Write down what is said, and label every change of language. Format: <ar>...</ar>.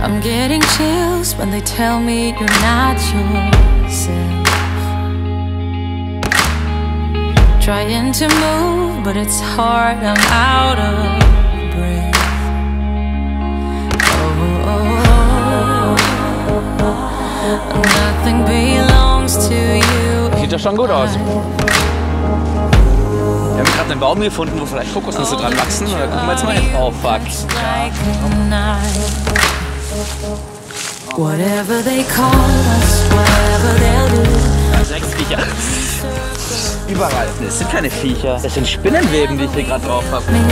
<en>When they tell me you're not yourself, trying to move, but it's hard, I'm out of breath. Oh, nothing belongs to you.</en> <de>Sieht doch schon gut aus. Wir haben gerade einen Baum gefunden, wo vielleicht Kokosnüsse dran wachsen. Oder gucken wir jetzt mal hin.</de> <en>Oh, fuck. Ja. Whatever they call us, whatever they'll do.</en> <de>Sechs Viecher. Überall. Es sind keine Viecher. Das sind Spinnenweben, die ich hier gerade drauf habe.</de>